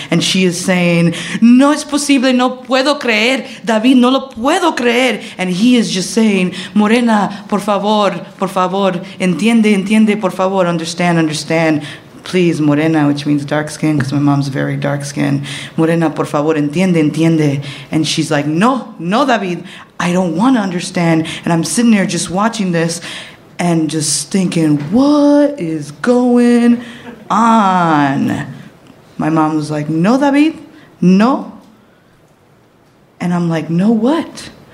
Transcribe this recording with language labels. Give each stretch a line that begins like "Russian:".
English: And she is saying,
Spanish: no es posible, no puedo creer. David, no lo puedo creer.
English: And he is just saying,
Spanish: Morena, por favor, entiende, por favor,
English: understand. please, morena, which means dark skin, because my mom's very dark skin.
Spanish: Morena, por favor, entiende, entiende.
English: And she's like, no, no, David, I don't want to understand. And I'm sitting there just watching this and just thinking, what is going on? My mom was like, no, David, no. And I'm like, no, what?